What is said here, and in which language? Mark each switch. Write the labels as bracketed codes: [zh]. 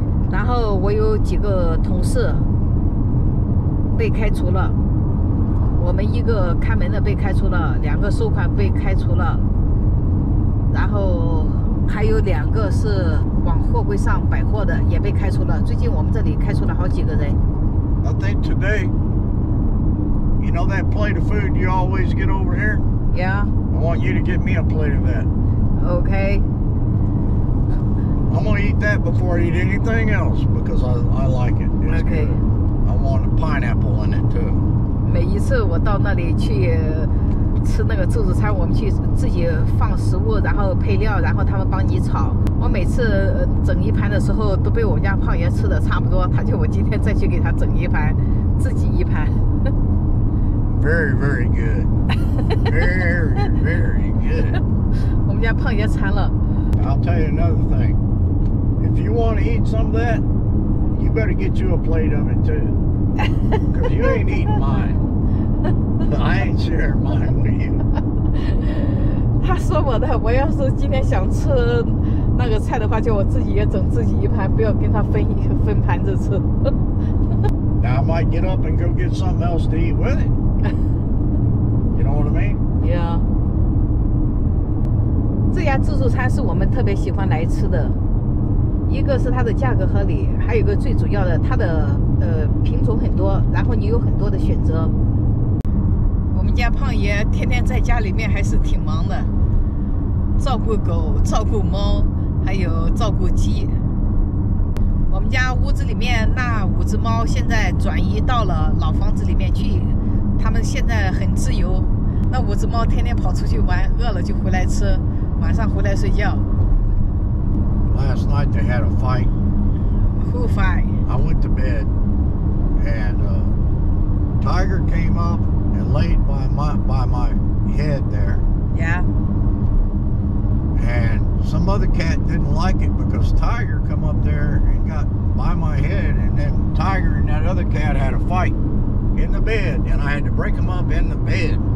[zh] 然后我有几个同事被开除了，我们一个看门的被开除了，两个收款被开除了，然后还有两个是往货柜上摆货的也被开除了。最近我们这里开除了好几个人。 [en] I think today, you know that plate of food you always get over here? Yeah. I want you to get me a plate of that. Okay. I'm gonna eat that before I eat anything else because I like it. It's okay. Good. I want a pineapple in it too. [zh] 每一次我到那里去吃那个自助餐，我们去自己放食物，然后配料，然后他们帮你炒。我每次整一盘的时候都被我们家胖爷吃的差不多，他就我今天再去给他整一盘，自己一盘。 [en] Very, very good. Very, very good. [zh] 我们家胖爷馋了。 [en] I'll tell you another thing. If you want to eat some of that, you better get you a plate of it too. Because you ain't eating mine. I ain't sharing mine with you. [zh] 他说我的，我要是今天想吃那个菜的话，就我自己也整自己一盘，不要跟他分盘子吃。 [en] Now I might get up and go get something else to eat with it. You know what I mean? Yeah. [zh] 这家自助餐是我们特别喜欢来吃的，一个是它的价格合理，还有一个最主要的，它的品种很多，然后你有很多的选择。我们家胖爷天天在家里面还是挺忙的，照顾狗，照顾猫，还有照顾鸡。我们家屋子里面那5只猫现在转移到了老房子里面去，它们现在很自由。那5只猫天天跑出去玩，饿了就回来吃，晚上回来睡觉。 [en] Last night they had a fight. Who fight? I went to bed, and Tiger came up and laid by my head there. Yeah. And some other cat didn't like it because Tiger come up there and got by my head, and then Tiger and that other cat had a fight in the bed, and I had to break them up in the bed.